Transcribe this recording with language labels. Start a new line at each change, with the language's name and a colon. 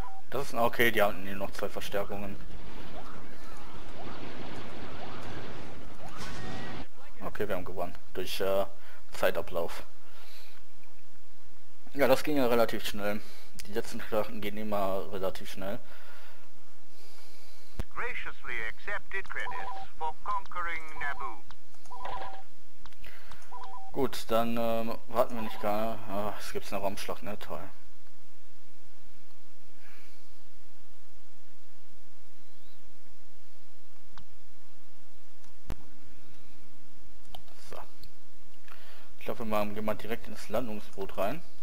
German: Das ist ein okay, die haben hier noch 2 Verstärkungen. Okay, wir haben gewonnen. Durch Zeitablauf. Ja, das ging ja relativ schnell. Die letzten Schlachten gehen immer relativ schnell.
English: Graciously accepted credits for conquering Naboo.
German: Gut, dann warten wir nicht gerne. Ach, es gibt eine Raumschlacht, ne? Toll. So. Ich glaube, wir gehen mal direkt ins Landungsboot rein.